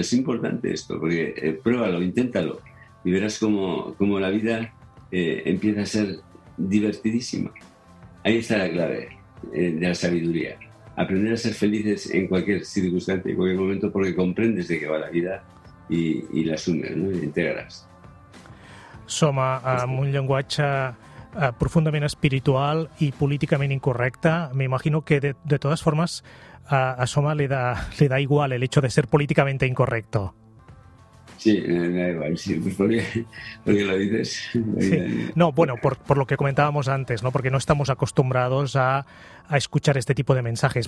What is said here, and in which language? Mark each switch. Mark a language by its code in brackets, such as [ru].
[es] Es importante esto, porque pruébalo, inténtalo, y verás cómo la vida empieza a ser divertidísima. Ahí está la clave de la sabiduría. Aprender a ser felices en cualquier circunstancia, en cualquier momento, porque comprendes de qué va la vida y la asumes, ¿no? Y integras. [ca] Soma, amb un llenguatge profundament espiritual i políticament incorrecte. [es] Me imagino que [ca] de totes formes [es] a Soma le da igual el hecho de ser políticamente incorrecto. Sí, da igual, sí, pues porque lo dices. Sí. No, bueno, por lo que comentábamos antes, ¿no? Porque no estamos acostumbrados a escuchar este tipo de mensajes.